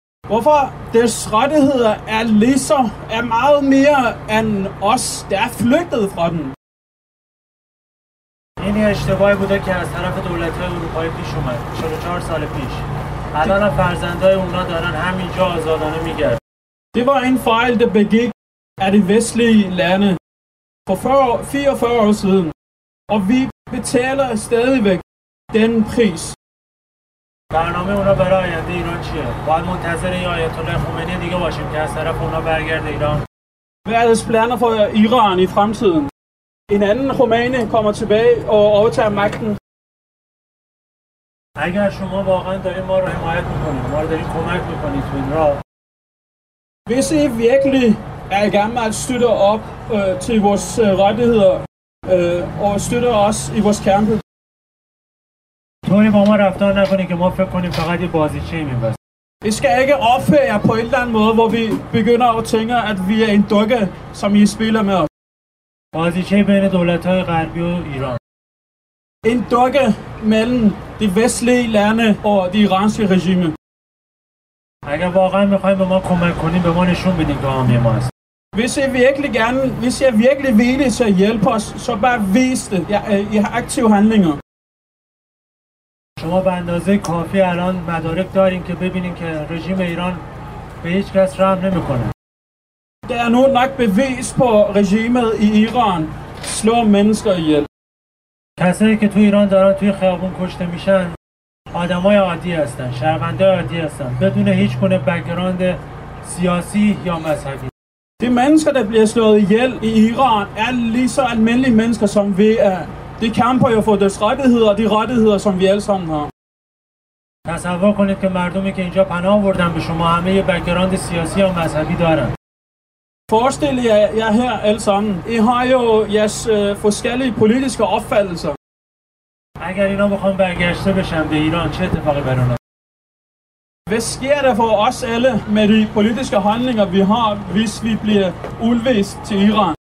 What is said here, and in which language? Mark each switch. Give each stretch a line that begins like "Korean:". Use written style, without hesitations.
Danish: Hvorfor deres rettigheder er lige så, er meget mere end os, der er flygtet fra den? Det er en
Persian: اشتباه بوده که از طرف دولت‌های اروپایی پیش اومد 44 سال پیش. الان فرزندای اونا دارن همینجا آزادانه میگردن.
Danish: Det var en fejl der begik af de vestlige lande for 44 år siden. Og vi betaler stadigvæk den pris.
Persian: برنامه اونا برای آینده ایران چیه؟ باید منتظر این آیت الله خمینی دیگه باشیم که از طرف اونا برگرده ایران.
Danish: Hvad er deres planer for Iran i fremtiden? En anden Khomeini kommer tilbage og overtager magten.
Persian: اگر شما واقعا دارید ما رو حمایت میکنید، ما رو دارید کمک میکنید تو این راه.
Danish: Hvis I virkelig er i gang med at støtte op til vores rettigheder og støtte os i vores kampe.
Persian: طوری با ما رفتار نکنید که ما فکر کنیم فقط یه بازیچه ایمیم بس.
Danish: I skal ikke opføre jer på en eller anden måde, hvor vi begynder at tænke, at vi er en dukke, som I spiller med.
Persian: بازیچه بین دولت‌های غربی و ایران.
Danish: En dukke mellem de vestlige lande og de iranske regime.
Persian: اگر واقعا می‌خواید به ما کمک کنید، به ما نشون بدید که حامی ما هست.
Danish: Hvis I virkelig gerne, hvis I er virkelig villige til at hjælpe os, så bare vis det. I har aktive handlinger.
Persian: شما به اندازه کافی الان مدارک دارین که ببینین که رژیم ایران به هیچ کس رحم نمی‌کنه.
Danish: Der er nu nok bevis på regimet i Iran slår mennesker ihjel.
Persian: کسایی که تو ایران دارن توی خیابون کشته میشن آدمای عادی هستن، شهروندای عادی هستن بدون هیچ گونه بک‌گراند سیاسی یا مذهبی.
Danish: De mennesker der bliver slået ihjel i Iran er lige så almindelige mennesker som vi er. De kæmper jo for deres rettigheder, de rettigheder som vi alle sammen har.
Persian: تصور کنید که مردمی که اینجا پناه آوردن به شما همه بک‌گراند سیاسی یا مذهبی دارن.
Danish: Forestil jer her alle sammen. I har jo jeres forskellige politiske opfattelser.
Persian: اگر اینا بخوام برگشته بشن به ایران چه اتفاقی بر اونا؟
Danish: Hvad sker der for os alle med de politiske handlinger vi har, hvis vi bliver udvist til Iran?